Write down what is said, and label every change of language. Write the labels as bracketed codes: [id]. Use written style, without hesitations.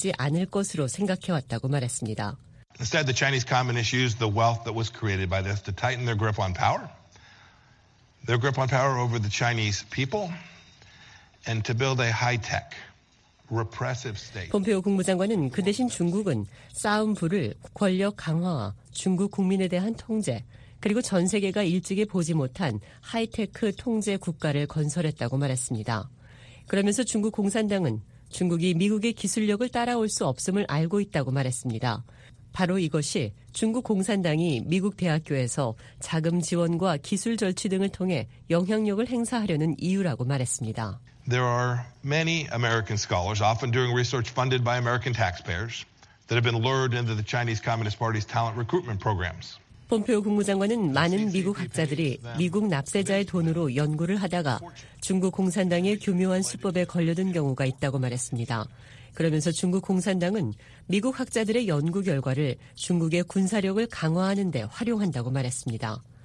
[en] Instead, the Chinese Communists used the wealth that was created by this to tighten their grip on power, their grip on power over the Chinese people, and to build a high-tech repressive state. [ko] 폼페오 국무장관은 그 대신 중국은 싸움부를 권력 강화, 중국 국민에 대한 통제, 그리고 전 세계가 일찍이 보지 못한 하이테크 통제 국가를 건설했다고 말했습니다. 그러면서 중국 공산당은 중국이 미국의 기술력을 따라올 수 없음을 알고 있다고 말했습니다. 바로 이것이 중국 공산당이 미국 대학교에서 자금 지원과 기술 절취 등을 통해 영향력을 행사하려는 이유라고 말했습니다. [en] There are many American scholars, often doing research funded by American taxpayers, that have been lured into the Chinese Communist Party's talent recruitment programs. [ko] 폼페오 국무장관은 많은 미국 학자들이 미국 납세자의 돈으로 연구를 하다가 중국 공산당의 교묘한 수법에 걸려든 경우가 있다고 말했습니다. 그러면서 중국 공산당은 미국 학자들의 연구 결과를 중국의 군사력을 강화하는 데 활용한다고 말했습니다.